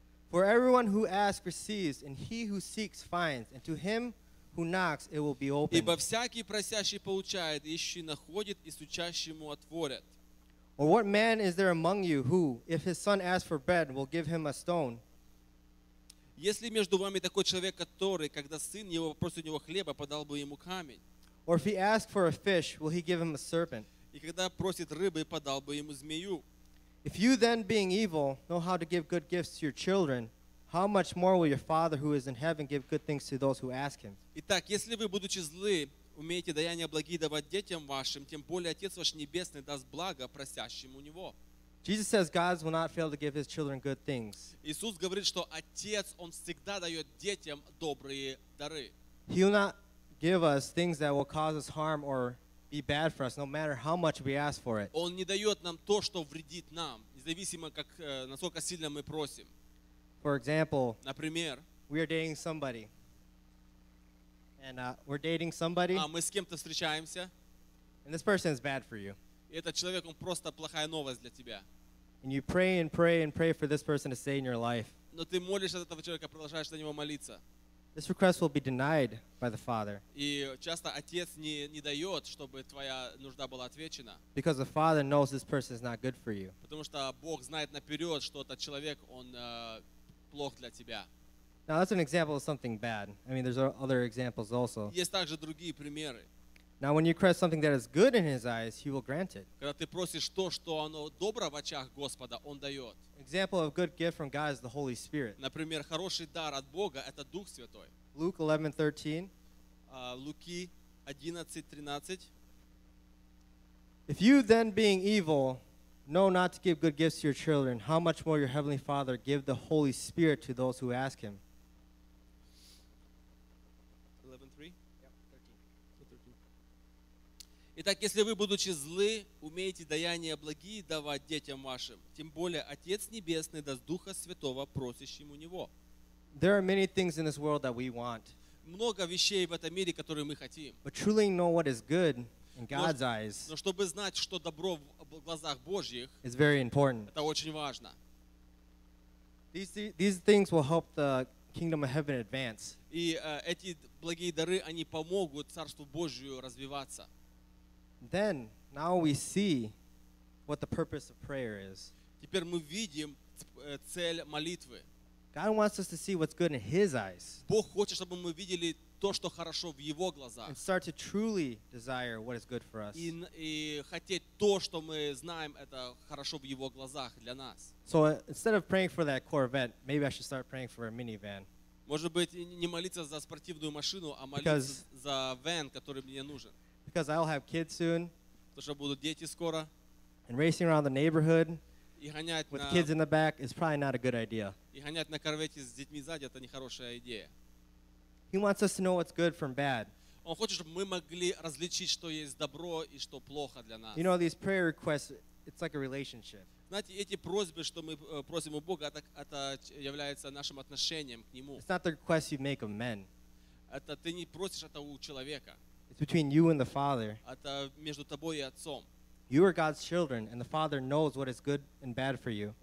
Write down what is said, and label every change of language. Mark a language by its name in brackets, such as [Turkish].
[English] For everyone who asks receives, and he who seeks finds, and to him who knocks it will be opened. [Russian] Ибо всякий просящий получает, ищущий находит, и стучащему отворят. [English] Or what man is there among you who, if his son asks for bread, will give him a stone? [Russian] Если между вами такой человек, который, когда сын его просит у него хлеба, подал бы ему камень? [English] Or if he asks for a fish, will he give him a serpent? [Russian] И когда просит рыбы, подал бы ему змею? [English] If you then, being evil, know how to give good gifts to your children, how much more will your Father who is in heaven give good things to those who ask him? [Russian] Итак, если вы, будучи злы, умеете даяния благие давать детям вашим, тем более Отец ваш Небесный даст благо просящим у Него. [English] Jesus says God will not fail to give His children good things. [Russian] Иисус говорит, что Отец, Он всегда дает детям добрые дары. [English] He will not give us things that will cause us harm or be bad for us, no matter how much we ask for it. [Russian] Он не дает нам то, что вредит нам, независимо как насколько сильно мы просим. [English] For example, [Russian] например, [English] we are dating somebody, and we're dating somebody. [Russian] Мы с кем-то встречаемся. [English] And this person is bad for you. [Russian] И этот человек, он просто плохая новость для тебя. [English] And you pray and pray and pray for this person to stay in your life. [Russian] Но ты молишься за этого человека, продолжаешь за него молиться. [English] This request will be denied by the Father. [Russian] И часто отец не дает, чтобы твоя нужда была отвечена. [English] Because the Father knows this person is not good for you. [Russian] Потому что Бог знает наперед, что этот человек он плох для тебя. [English] Now that's an example of something bad. I mean, there's other examples also. [Russian] Есть также другие примеры. [English] Now, when you request something that is good in His eyes, He will grant it. [Russian] Когда ты просишь то, что оно добро в очах Господа, Он дает. [English] Example of a good gift from God is the Holy Spirit. [Russian] Например, хороший дар от Бога – это Дух Святой. [English] Luke 11:13. [Russian] Луки 11:13. [English] If you then, being evil, know not to give good gifts to your children, how much more your heavenly Father give the Holy Spirit to those who ask Him? 11:13. [Russian] Итак, если вы, будучи злы, умеете даяния благие давать детям вашим, тем более Отец Небесный даст Духа Святого просящим у Него. [English] There are many things in this world that we want. [Russian] Много вещей в этом мире, которые мы хотим. [English] But truly know what is good in God's eyes. [Russian] Но чтобы знать, что добро в глазах Божьих, [English] is very important. [Russian] Это очень важно. [English] These things will help the kingdom of heaven advance. [Russian] И эти благие дары, они помогут Царству Божию развиваться. [English] Then, now we see what the purpose of prayer is. [Russian] Теперь мы видим цель молитвы. [English] God wants us to see what's good in His eyes. [Russian] Бог хочет, чтобы мы видели то, что хорошо в Его глазах. [English] And start to truly desire what is good for us. [Russian] И хотеть то, что мы знаем, это хорошо в Его глазах для нас. [English] So instead of praying for that Corvette, maybe I should start praying for a minivan. [Russian] Может быть, не молиться за спортивную машину, а молиться за вэн, который мне нужен. [English] Because I'll have kids soon. [Russian] Потому что будут дети скоро. [English] And racing around the neighborhood with kids in the back is probably not a good idea. [Russian] И гонять на Корвете с детьми сзади – это нехорошая идея. [English] He wants us to know what's good from bad. [Russian] Он хочет, чтобы мы могли различить, что есть добро и что плохо для нас. [English] You know, these prayer requests, it's like a relationship. [Russian] Знаете, эти просьбы, что мы просим у Бога, это является нашим отношением к Нему. [English] It's not the request you make of men. [Russian] Это ты не просишь это у человека. [English] It's between you and the Father. [Russian] Это между тобой и Отцом. [English] You are God's children, and the Father knows what is good and bad for you.